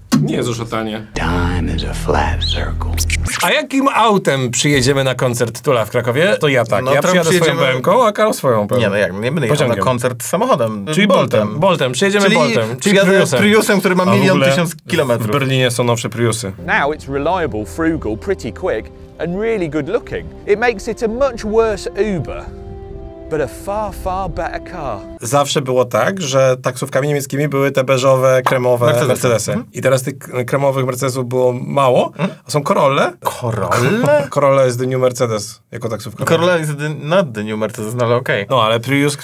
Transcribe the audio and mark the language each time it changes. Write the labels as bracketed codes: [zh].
[en] Nie jest o szatanie. Time is a flat circle. [pl] A jakim autem przyjedziemy na koncert Tula w Krakowie? To ja tak. No, ja przyjadę swoją BMW-ką, a Karol swoją BMW. Nie, no jak, nie będę jechał na koncert samochodem. Czyli Boltem. Przyjedziemy czyli Boltem. Czyli przyjadę Priusem, który ma 1 000 000 kilometrów. W Berlinie są nowsze Priusy. [en] Now it's reliable, frugal, pretty quick and really good looking. It makes it a much worse Uber. but a far, far better car. [pl] Zawsze było tak, że taksówkami niemieckimi były te beżowe, kremowe Mercedesy. Hmm? I teraz tych kremowych Mercedesów było mało, a są Corolle. Corolle? [en] Corolla is the new Mercedes, jako taksówka. Corolla is the, not the new Mercedes, no ale okej. [pl] Okay. No, ale Prius...